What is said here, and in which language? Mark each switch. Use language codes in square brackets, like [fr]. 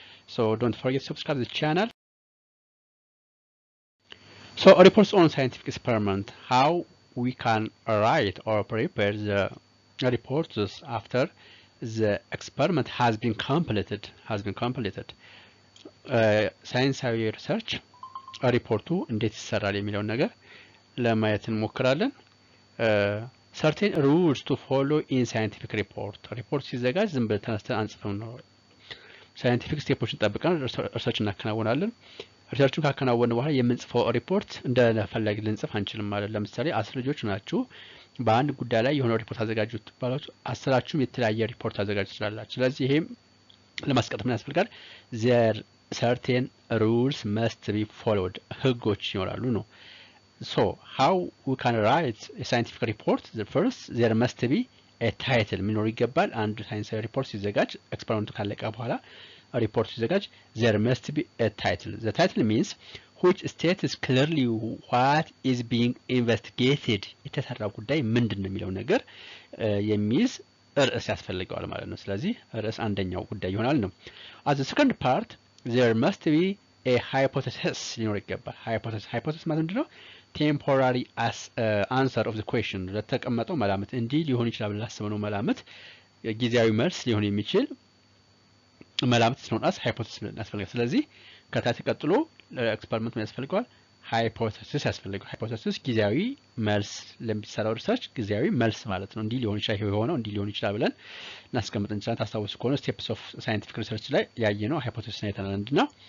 [en] So don't forget to subscribe to the channel. So reports on scientific experiment, how we can write or prepare the reports after the experiment has been completed. [am] ሳይንሳዊ ሪሰርች ሪፖርቱ እንዴት ይሰራል የሚለው ነገር ለማየት እንሞክራለን። [en] Certain rules to follow in scientific report. [am] ሪፖርት ሲዘጋጅ ዝም ብለን ተነስተን አንጽፈን ነው ሳይንቲፊክ ስቴፖችን ጠብቀን ሪሰርች እናከናውናለን። ሪሰርቹን ካከናወነ በኋላ የምንጽፈው ሪፖርት እንደፈለግን ልንጽፍ አንችልም ማለት ለምሳሌ 10 ልጆች ናችሁ በአንድ ጉዳይ ላይ የሆነ ሪፖርት አዘጋጁት ትባላችሁ አስራችሁም የተለያየ ሪፖርት አዘጋጅ ትችላላችሁ። ስለዚህ ይሄም ለማስቀጠል ምን ያስፈልጋል? [en] There certain rules must be followed. [am] ህጎች ይኖራሉ ነው። [en] So how we can write a scientific report? The first, there must be a title. [am] ምን ነው ይገባል? አንድ ሳይንሳዊ ሪፖርት ሲዘጋጅ ኤክስፐሪመንቱ ካለቀ በኋላ ሪፖርት ሲዘጋጅ [en] there must be a title. The title means which states clearly what is being investigated. [am] የተሰራው ጉዳይ ምንድን ነው የሚለው ነገር የሚይዝ ርዕስ ያስፈልገዋል ማለት ነው። ስለዚህ ርዕስ አንደኛው ጉዳይ ይሆናል ነው። [en] As the second part, there must be a hypothesis. [am] ሊኖር ይገባል። Hypothesis ማለት ምንድን ነው? [en] Temporary answer of the question. [am] ለተቀመጠው መላምት እንዲህ ሊሆን ይችላል ብለን ላሰብነው መላምት ጊዜያዊ መልስ ሊሆን የሚችል መላምት ስለሆነ ሃይፖቴሲስ ያስፈልጋል። ስለዚህ ከታች ቀጥሎ ኤክስፐሪመንት ያስፈልጋል ሃይፖቴሲስ ያስፈልጋል። ሃይፖቴሲስ ጊዜያዊ መልስ ለሚሰራው ሪሰርች ጊዜያዊ መልስ ማለት ነው። እንዲህ ሊሆን ይችላል ይሆነው እንዲህ ሊሆን ይችላል ብለን እናስቀምጥ እንችላ ታስታውስ ከሆነ ስቴፕስ ኦፍ ሳይንቲፊክ ሪሰርች ላይ ያየነው ሃይፖቴሲስ ነው የተናል እንድነው